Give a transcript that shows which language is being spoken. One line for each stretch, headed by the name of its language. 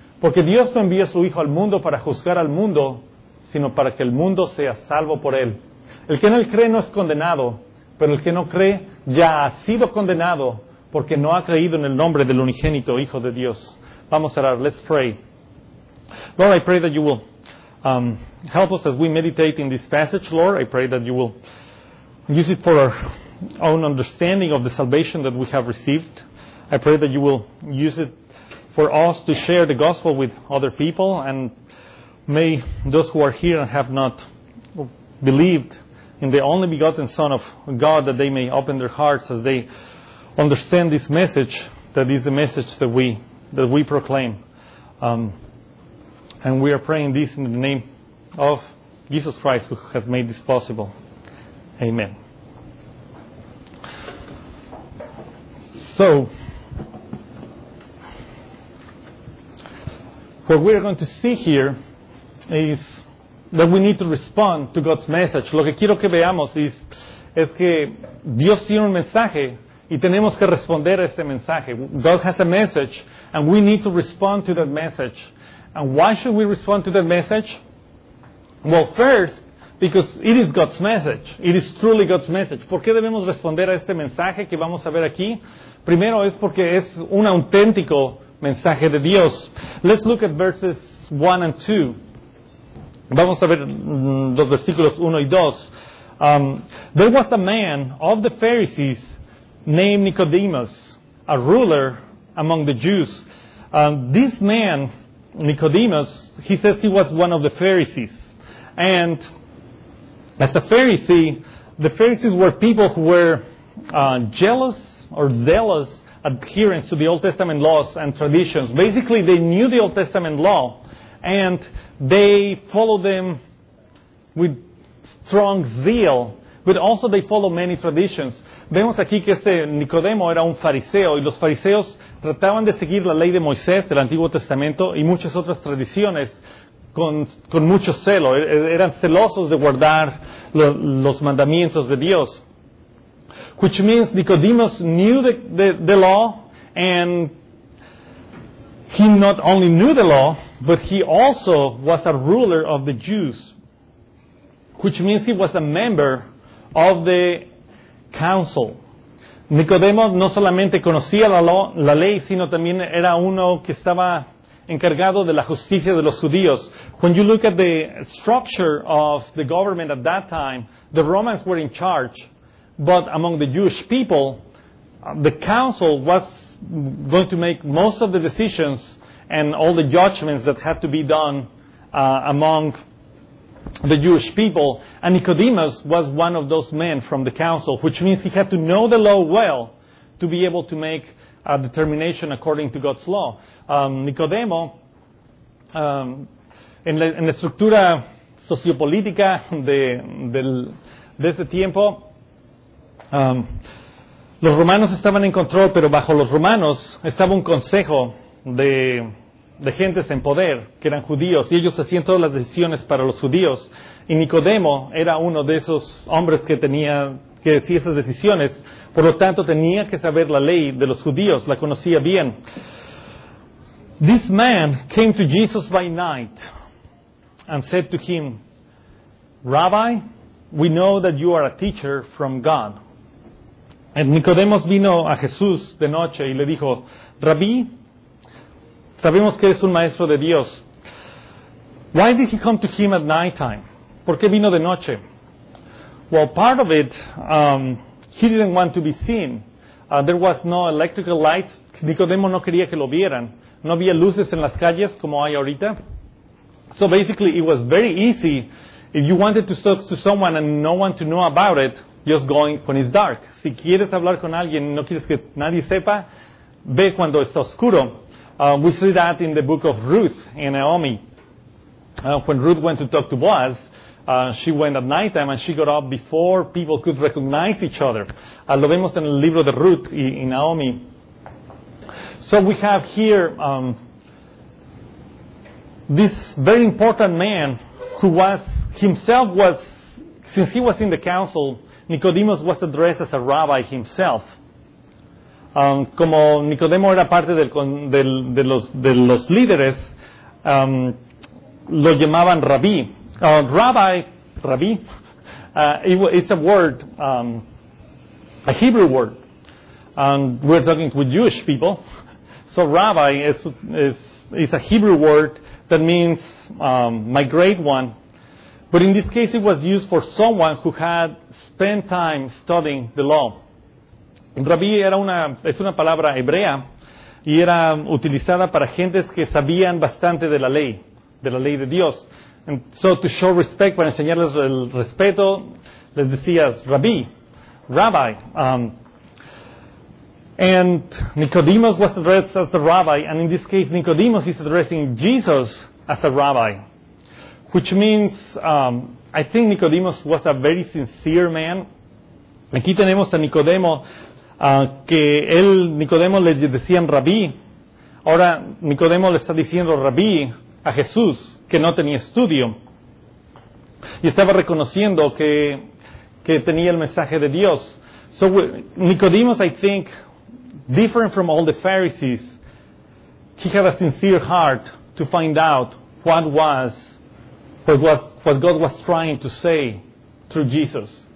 Spanish: Porque Dios no envió a su Hijo al mundo para juzgar al mundo, sino para que el mundo sea salvo por él. El que en él cree no es condenado, pero el que no cree ya ha sido condenado porque no ha creído en el nombre del unigénito Hijo de Dios. Vamos a orar.
English: Let's pray. Lord, I pray that you will help us as we meditate in this passage, Lord. I pray that you will use it for our own understanding of the salvation that we have received. I pray that you will use it for us to share the gospel with other people, and may those who are here and have not believed in the only begotten Son of God, that they may open their hearts as they understand this message, that is the message that we proclaim. And we are praying this in the name of Jesus Christ, who has made this possible. Amen. So, what we are going to see here is that we need to respond to God's message.
Spanish: Lo que quiero que veamos es que Dios tiene un mensaje y tenemos que responder a ese mensaje.
English: God has a message and we need to respond to that message. And why should we respond to that message? Well, first, because it is God's message. It is truly God's message.
Spanish: ¿Por qué debemos responder a este mensaje que vamos a ver aquí? Primero es porque es un auténtico mensaje de Dios.
English: Let's look at verses 1 and 2.
Spanish: Vamos a ver los versículos 1 y 2.
English: There was a man of the Pharisees named Nicodemus, a ruler among the Jews. This man, Nicodemus, he says he was one of the Pharisees. And as a Pharisee, the Pharisees were people who were jealous or zealous adherents to the Old Testament laws and traditions. Basically, they knew the Old Testament law and they followed them with strong zeal, but also they followed many traditions.
Spanish: Vemos aquí que este Nicodemo era un fariseo, y los fariseos trataban de seguir la ley de Moisés, del Antiguo Testamento, y muchas otras tradiciones con mucho celo. Eran celosos de guardar los mandamientos de Dios.
English: Which means Nicodemus knew the law, and he not only knew the law, but he also was a ruler of the Jews. Which means he was a member of the council.
Spanish: Nicodemo no solamente conocía la ley, sino también era uno que estaba encargado de la justicia de los judíos.
English: When you look at the structure of the government at that time, the Romans were in charge, but among the Jewish people, the council was going to make most of the decisions and all the judgments that had to be done among the Jewish people. And Nicodemus was one of those men from the council, which means he had to know the law well to be able to make a determination according to God's law.
Spanish: Nicodemo, en la estructura sociopolítica de ese tiempo, los romanos estaban en control, pero bajo los romanos estaba un consejo de gentes en poder, que eran judíos, y ellos hacían todas las decisiones para los judíos. Y Nicodemo era uno de esos hombres que hacía esas decisiones, por lo tanto tenía que saber la ley de los judíos, la conocía bien.
English: This man came to Jesus by night and said to him, Rabbi, we know that you are a teacher from God.
Spanish: And Nicodemus vino a Jesús de noche y le dijo, Rabí, sabemos que eres un maestro de Dios.
English: Why did he come to him at night time?
Spanish: ¿Por qué vino de noche?
English: Well, part of it, he didn't want to be seen. There was no electrical lights.
Spanish: Nicodemo no quería que lo vieran. No había luces en las calles como hay ahorita.
English: So basically, it was very easy. If you wanted to talk to someone and no one to know about it, just go when it's dark.
Spanish: Si quieres hablar con alguien y no quieres que nadie sepa, ve cuando está oscuro.
English: We see that in the book of Ruth and Naomi. When Ruth went to talk to Boaz, she went at night time and she got up before people could recognize each other.
Spanish: Lo vemos en el libro de Ruth y Naomi.
English: So we have here this very important man who was himself was, since he was in the council, Nicodemus was addressed as a rabbi himself.
Spanish: Como Nicodemo era parte de los líderes, lo llamaban rabí.
English: Rabbi, it's a word, a Hebrew word. We're talking with Jewish people. So rabbi is a Hebrew word that means my great one. But in this case, it was used for someone who had spent time studying the law.
Spanish: Rabí es una palabra hebrea y era utilizada para gentes que sabían bastante de la ley de Dios.
English: And so to show respect,
Spanish: para enseñarles el respeto, les decías rabí, rabbi.
English: And Nicodemus was addressed as a rabbi, and in this case, Nicodemus is addressing Jesus as a rabbi, which means, I think Nicodemus was a very sincere man.
Spanish: Aquí tenemos a Nicodemo, que él, Nicodemo, le decían rabí. Ahora, Nicodemo le está diciendo rabí a Jesús, que no tenía estudio. Y estaba reconociendo que tenía el mensaje de Dios.
English: So, Nicodemus, I think, different from all the Pharisees, he had a sincere heart to find out what God was trying to say through Jesus.